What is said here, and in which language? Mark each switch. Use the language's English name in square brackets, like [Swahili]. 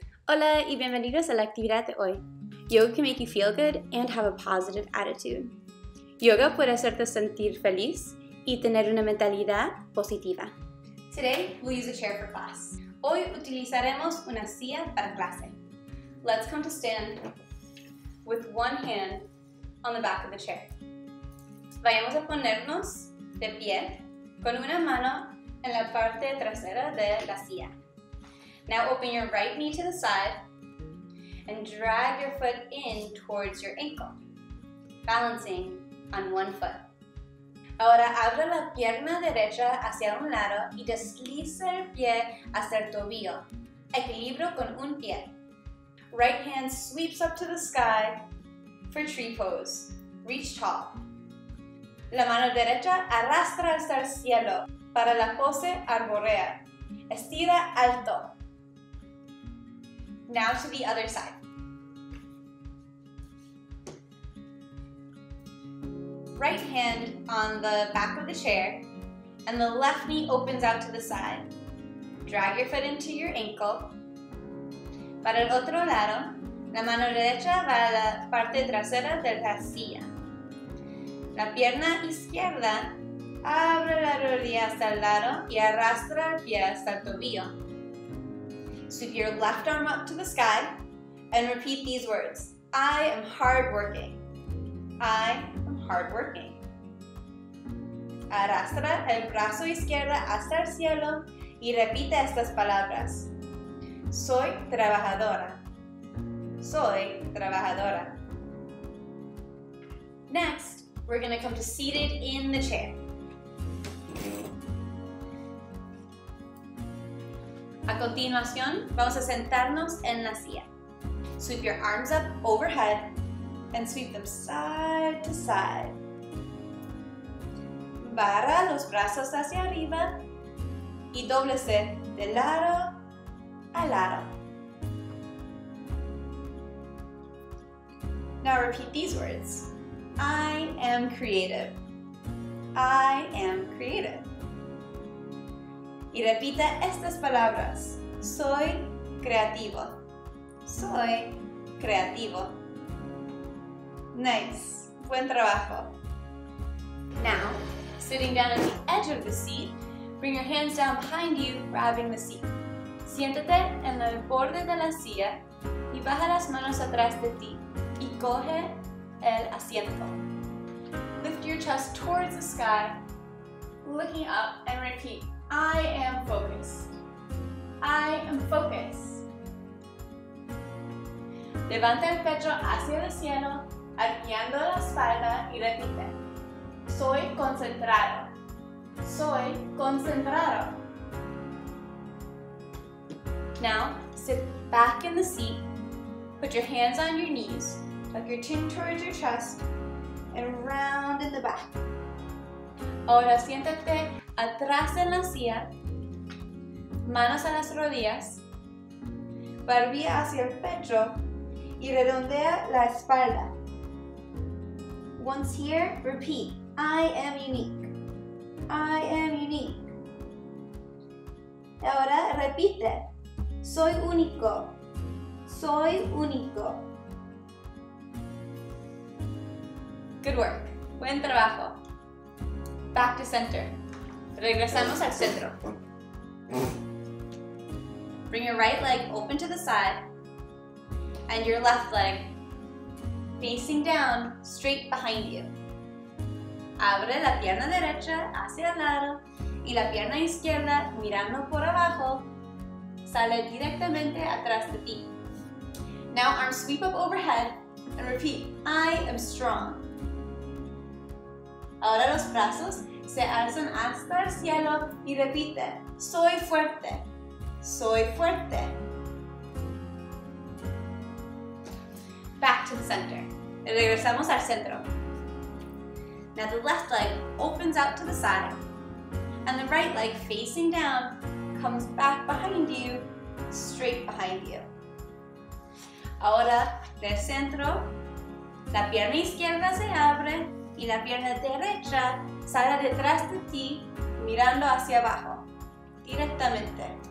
[Spanish] Hola y bienvenidos a la actividad de hoy. [English] Yoga can make you feel good and have a positive attitude. [Spanish] Yoga puede hacerte sentir feliz y tener una mentalidad positiva. [English] Today, we'll use a chair for class. [Spanish] Hoy utilizaremos una silla para clase. [English] Let's come to stand with one hand on the back of the chair. [Spanish] Vayamos a ponernos de pie con una mano en la parte trasera de la silla. [English] Now open your right knee to the side and drag your foot in towards your ankle, balancing on one foot. [Spanish] Ahora abre la pierna derecha hacia un lado y desliza el pie hacia el tobillo. Equilibrio con un pie. [English] Right hand sweeps up to the sky for tree pose. Reach tall. [Spanish] La mano derecha arrastra hasta el cielo para la pose arborea. Estira alto. [English] Now to the other side. Right hand on the back of the chair and the left knee opens out to the side. Drag your foot into your ankle. [Spanish] Para el otro lado, la mano derecha va a la parte trasera de la silla. La pierna izquierda abre la rodilla hasta el lado y arrastra el pie hasta el tobillo. [English] Sweep your left arm up to the sky and repeat these words. I am hard working. I am hard working. [Spanish] Arrastra el brazo izquierdo hasta el cielo y repite estas palabras. Soy trabajadora. Soy trabajadora. [English] Next, we're going to come to seated in the chair. [Spanish] A continuación, vamos a sentarnos en la silla. [English] Sweep your arms up overhead and sweep them side to side. [Spanish] Barra los brazos hacia arriba y dóblese de lado a lado. [English] Now repeat these words. I am creative. I am creative. [Spanish] Y repita estas palabras. Soy creativo. Soy creativo. [English] Nice. [Spanish] Buen trabajo. [English] Now, sitting down at the edge of the seat, bring your hands down behind you, grabbing the seat. [Spanish] Siéntate en el borde de la silla y baja las manos atrás de ti y coge el asiento. [English] Lift your chest towards the sky, looking up and repeat. I am focused. I am focused. [Spanish] Levanta el pecho hacia el cielo, arqueando la espalda y repite. Soy concentrado. Soy concentrado. [English] Now, sit back in the seat. Put your hands on your knees. Tuck your chin towards your chest and round in the back. [Spanish] Ahora siéntate atrás en la silla, manos a las rodillas, barbilla hacia el pecho y redondea la espalda. [English] Once here, repeat. I am unique. I am unique. [Spanish] Ahora repite. Soy único. Soy único. [English] Good work. [Spanish] Buen trabajo. [English] Back to center. [Spanish] Regresamos al centro. [English] Bring your right leg open to the side and your left leg facing down straight behind you. [Spanish] Abre la pierna derecha hacia el lado y la pierna izquierda mirando por abajo sale directamente atrás de ti. [English] Now arms sweep up overhead and repeat, I am strong. [Spanish] Ahora los brazos se alzan hasta el cielo y repite, soy fuerte, soy fuerte. [English] Back to the center. [Spanish] Regresamos al centro. [English] Now the left leg opens out to the side and the right leg facing down comes back behind you, straight behind you. [Spanish] Ahora del centro, la pierna izquierda se abre y la pierna derecha sale detrás de ti, mirando hacia abajo, directamente.